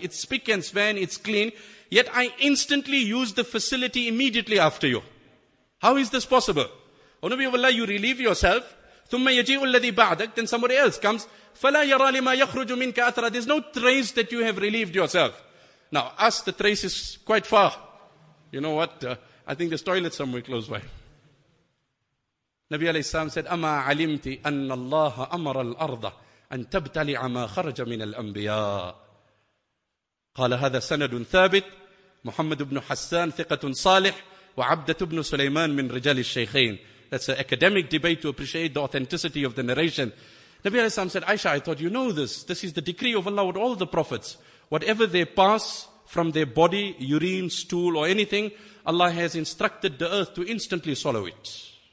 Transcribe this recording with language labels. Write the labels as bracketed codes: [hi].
[en] It's spick and span, it's clean, yet I instantly use the facility immediately after you. How is this possible? O Nabi of Allah, you relieve yourself, [ar] ثُمَّ يَجِيءُ الَّذِي بَعْدَكَ, [en] then somebody else comes, [ar] فَلَا يَرَى لِمَا يَخْرُجُ مِنْكَ أَثْرَى, [en] there's no trace that you have relieved yourself. Now, us, the trace is quite far. You know what? I think there's toilet somewhere close by. Nabi alayhi salam said, [ar] أَمَا عَلِمْتِ أَنَّ اللَّهَ أَمَرَ الْأَرْضَ أَن تَبْتَلِعَ مَا خَرَجَ مِنَ الْأَنْبِيَاءِ قَالَ هَذَا سَنَدٌ ثَابِتٌ مُحَمَّدُ بْنُ حَسَّانٌ ثِقَةٌ صَالِحٌ وَعَبْدَةُ بْنُ سُلَيْمَانٌ مِنْ رِجَالِ الشَّيْخَيْنِ. [en] That's an academic debate to appreciate the authenticity of the narration. Nabi alayhi salam said, Aisha, I thought you know this. This is the decree of Allah with all the prophets. Whatever they pass from their body, urine, stool, or anything, Allah has instructed the earth to instantly swallow it.